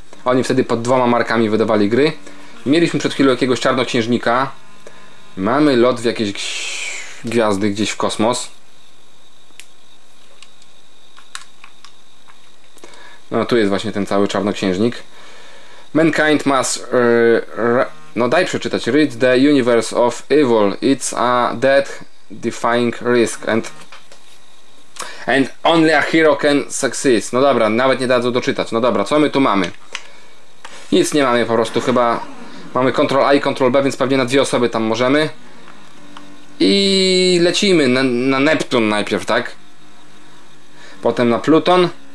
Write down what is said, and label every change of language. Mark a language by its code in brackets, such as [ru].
[pl] Oni wtedy pod dwoma markami wydawali gry. Mieliśmy przed chwilą jakiegoś czarnoksiężnika. Mamy lot w jakieś gwiazdy gdzieś w kosmos. No tu jest właśnie ten cały czarnoksiężnik. [en] Mankind must... [pl] no daj przeczytać. [en] Read the universe of evil. It's a death-defying risk. And only a hero can succeed. [pl] No dobra, nawet nie dadzą doczytać. No dobra, co my tu mamy? Nic nie mamy po prostu, chyba mamy Ctrl A i Ctrl B, więc pewnie na dwie osoby tam możemy. I lecimy na Neptun najpierw, tak? Potem na Pluton.